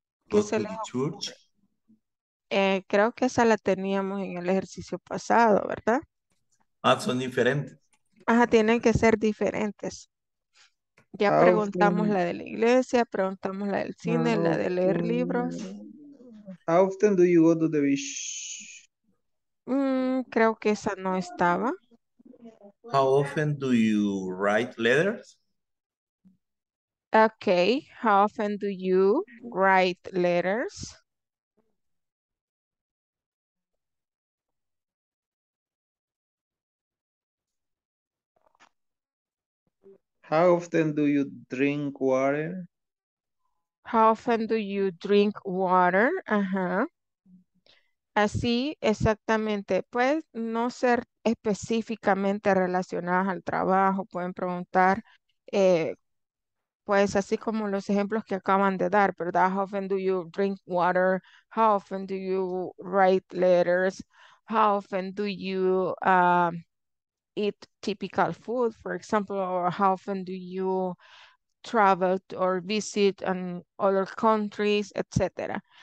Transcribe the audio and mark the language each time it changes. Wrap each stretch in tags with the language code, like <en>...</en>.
<en>go to the church?</en> <es>Creo que esa la teníamos en el ejercicio pasado, ¿verdad? Ah, son diferentes. Ajá, tienen que ser diferentes. Ya preguntamos la de la iglesia, preguntamos la del cine, la de leer libros.</es> <en>How often do you go to the beach?</en> <es>Creo que esa no estaba.</es> <en>How often do you write letters? Okay, how often do you write letters? How often do you drink water? How often do you drink water? Uh-huh.</en> <es>Así exactamente. Pues no ser específicamente relacionadas al trabajo, pueden preguntar, pues así como los ejemplos que acaban de dar, ¿verdad?</es> <en>How often do you drink water? How often do you write letters? How often do you eat typical food, for example? Or how often do you travel or visit in other countries, etc.?</en>